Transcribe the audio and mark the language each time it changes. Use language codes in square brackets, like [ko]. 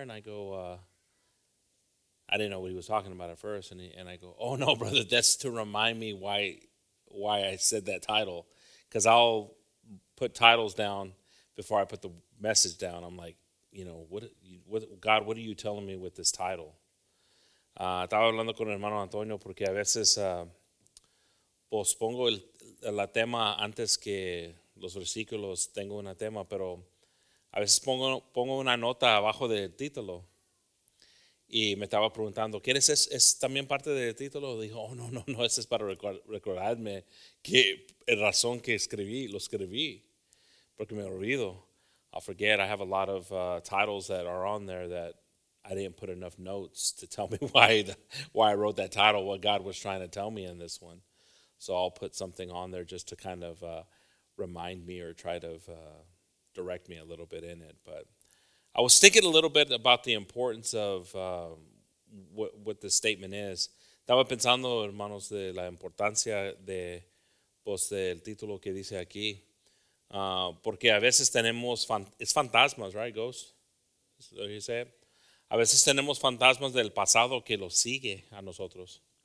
[en] And I go, I didn't know what he was talking about at first, and I go, "Oh no, brother, that's to remind me why I said that title, because I'll put titles down before I put the message down." I'm like, you know, God, what are you telling me with this title? [es] Estaba hablando con el hermano Antonio porque a veces pospongo el tema antes que los versículos. Tengo un tema, pero a veces pongo una nota abajo del título. Y me estaba preguntando, ¿quién es ese? ¿Es también parte del título? Dijo, oh, no, ese es para recordarme que el razón que escribí, lo escribí, porque me olvido. [en] I'll forget. I have a lot of titles that are on there that I didn't put enough notes to tell me why I wrote that title, what God was trying to tell me in this one. So I'll put something on there just to kind of remind me or try to direct me a little bit in it. But I was thinking a little bit about the importance of what the statement is. [es] Estaba pensando, hermanos, de la importancia de pues, del título que dice aquí. Porque a veces tenemos fantasmas, [en] right, ghosts? Is that what you say? [es] A veces tenemos fantasmas del pasado que los sigue a nosotros.